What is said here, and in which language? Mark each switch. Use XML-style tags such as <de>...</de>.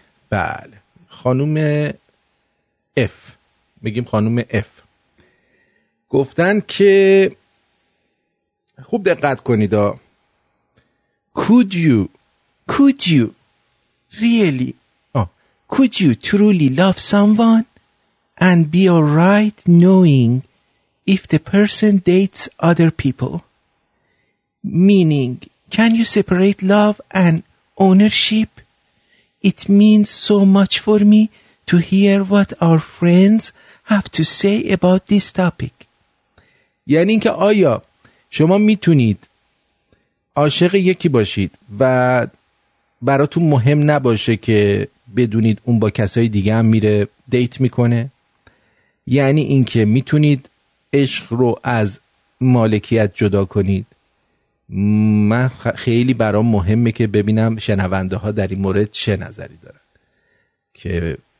<fa>بله خانوم F میگیم خانوم F گفتن که خوب دقت کنید</fa> <en>could you truly love someone and be alright knowing if the person dates other people, meaning can you separate love and ownership? It means so much for me to hear what our friends have to say about this topic.</en> <fa>یعنی این که آیا شما میتونید عاشق یکی باشید و براتون مهم نباشه که بدونید اون با کسای دیگه هم میره دیت میکنه؟ یعنی این که میتونید عشق رو از مالکیت جدا کنید؟ من خیلی برام مهمه که ببینم شنونده ها در این مورد چه نظری دارن، که</fa>